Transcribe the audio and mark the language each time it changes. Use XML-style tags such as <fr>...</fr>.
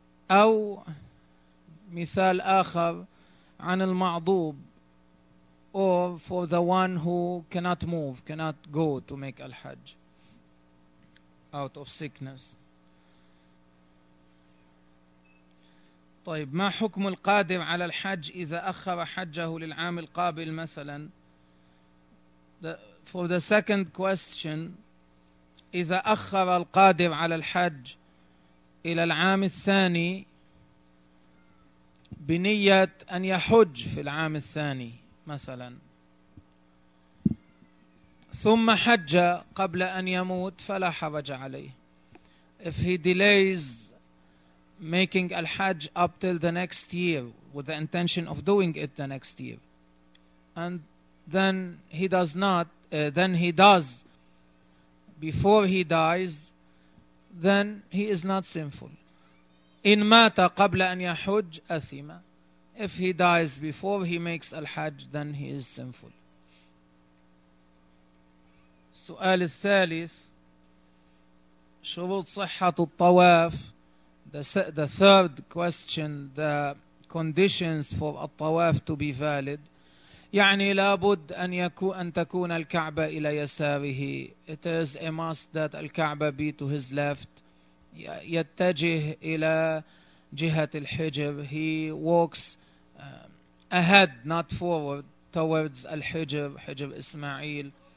<ar>أو مثال آخر عن المعضوب,</ar> <en>or for the one who cannot move, cannot go to make al-hajj out of sickness.</en> <ar>طيب ما حكم القادم على الحج إذا أخر حجه للعام القابل مثلا؟</ar> <en>For the second question,</en> <ar>إذا أخر القادم على الحج إلى العام الثاني بنية أن يحج في العام الثاني مثلا ثم حج قبل أن يموت فلا حرج عليه.</ar> <en>If he delays making al-hajj up till the next year with the intention of doing it the next year, and then he does not, then he does before he dies, then he is not sinful.</en> <ar>إن مات قبل أن يحج أثم.</ar> <en>If he dies before he makes al-hajj, then he is sinful.</en> <ar>السؤال الثالث: شروط صحة الطواف.</ar> <en>The third question: the conditions for الطواف to be valid.</en> <ar>يعني لابد أن يكون أن تكون الكعبة إلى يساره.</ar> <en>It is a must that الكعبة be to his left.</en> <ar>يتجه إلى جهة الحجر.</ar> <en>He walks ahead, not forward, towards الحجر, حجر إسماعيل.</en>